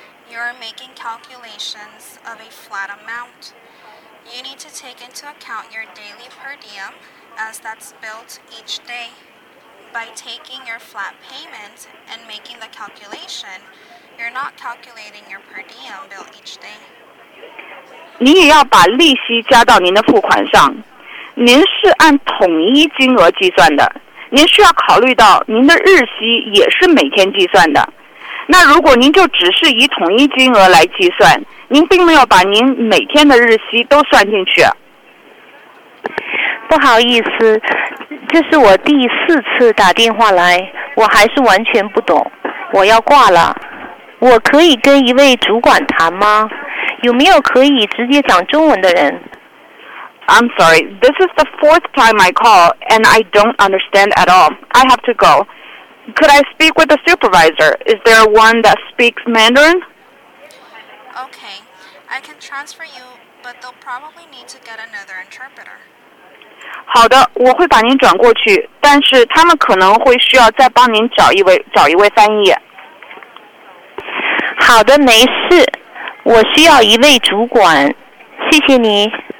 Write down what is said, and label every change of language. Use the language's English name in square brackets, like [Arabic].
[English] You're making calculations of a flat amount. You need to take into account your daily per diem, as that's built each day. By taking your flat payment and making the calculation, you're not calculating your per diem bill each day. [Chinese] 你也要把利息加到您的付款上。您是按统一金额计算的，您需要考虑到您的日息也是每天计算的。那如果您就只是以统一金额来计算，您并没有把您每天的日息都算进去。不好意思，这是我第四次打电话来，我还是完全不懂，我要挂了。我可以跟一位主管谈吗？有没有可以直接讲中文的人？ [English] I'm sorry, this is the fourth time I call, and I don't understand at all. I have to go. Could I speak with the supervisor? Is there one that speaks Mandarin? Okay, I can transfer you, but they'll probably need to get another interpreter. [Chinese] 好的，我会把您转过去，但是他们可能会需要再帮您找一位翻译。好的，没事，我需要一位主管，谢谢你。